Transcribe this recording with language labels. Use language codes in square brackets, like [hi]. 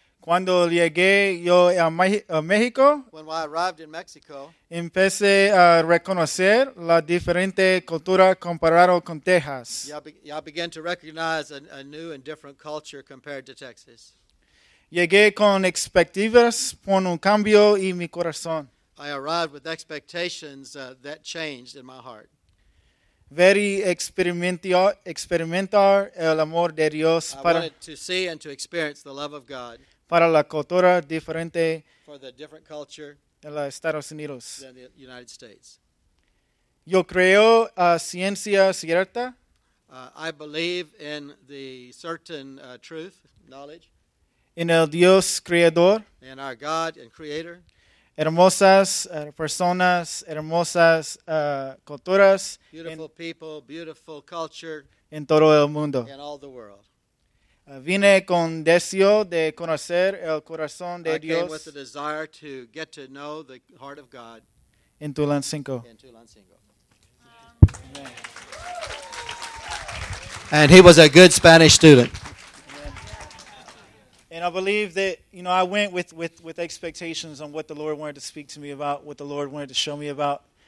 [es] Cuando llegué yo a México, [en] when I arrived in Mexico, [es] empecé a reconocer la diferente cultura comparado con Texas. [en] I began to recognize a new and different culture compared to Texas. [es] Llegué con expectativas por un cambio en mi corazón. [en] I arrived with expectations that changed in my heart. [es] Very experimentar el amor de Dios. [en] Para, I wanted to see and to experience the love of God. [es] Para la cultura diferente. [en] For the different culture. [es] En los Estados Unidos. [en] Than the United States. [es] Yo creo a ciencia cierta. [en] I believe in the certain truth, knowledge. [es] En el Dios creador. [en] In our God and creator. [es] Hermosas personas, hermosas culturas. [en] Beautiful people, beautiful culture. [es] En todo el mundo. [en] In all the world. [es] Vine con deseo de conocer el corazón de Dios. [en] I came with the desire to get to know the heart of God. [es] En Tulancingo. [en] In Tulancingo. And he was a good Spanish student. And I believe that, you know, I went with expectations on what the Lord wanted to speak to me about, what the Lord wanted to show me about.